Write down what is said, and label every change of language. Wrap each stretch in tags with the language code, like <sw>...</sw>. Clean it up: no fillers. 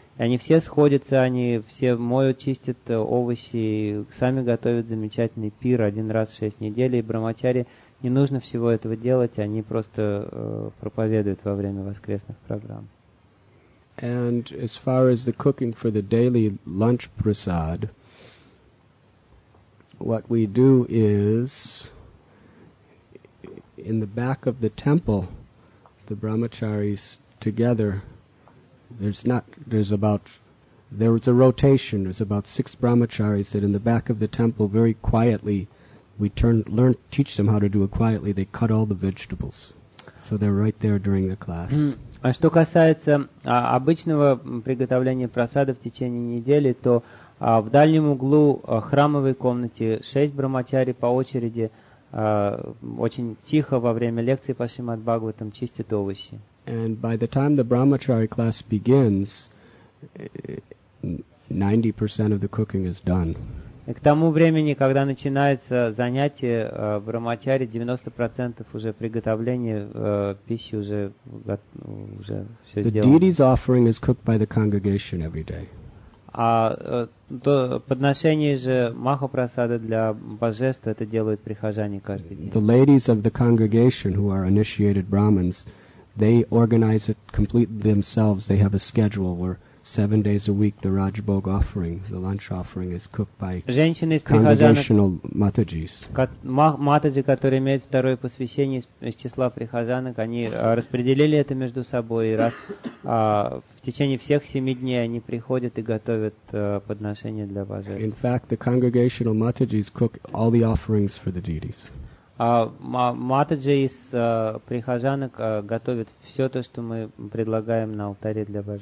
<ru>И они все сходятся, они все моют, чистят овощи, сами готовят замечательный пир один раз в 6 недель, и брамачари... Не нужно всего этого делать, они просто проповедуют во время воскресных программ.</ru> <en>And as far as the cooking for the daily lunch prasad, what we do is in the back of the temple, the brahmacharis together, there's a rotation, there's about six brahmacharis that in the back of the temple very quietly teach them how to do it quietly. They cut all the vegetables, so they're right there during the class.</en> <ru>А что касается обычного приготовления просада в течение недели, то в дальнем углу храмовой комнате шесть брамачари по очереди очень тихо во время лекции по Шримад Бхагаватам чистят овощи.</ru> <en>And by the time the brahmachari class begins, 90% of the cooking is done.</en> <ru>И к тому времени, когда начинается занятие брамачари, 90% уже приготовления пищи уже все сделано.</ru> <en>The deity's offering is cooked by the congregation every day.</en> <ru>А то подношение же Махапрасада для божества это делают прихожане каждый день.</ru> <en>The ladies of the congregation who are initiated Brahmins, they organize it completely themselves. They have a schedule where 7 days a week the Rajbhog offering, the lunch offering, is cooked by congregational Matajis.</en> <ru>Матаджи, которые имеют второе посвящение из числа прихожанок, они распределили это между собой. Раз в течение всех 7 дней они приходят и готовят подношения для божества.</ru> <en>In fact, the congregational Matajis cook all the offerings for the deities.</en> <ru>Матаджи из прихожанок готовят все то, что мы предлагаем на алтаре для</ru>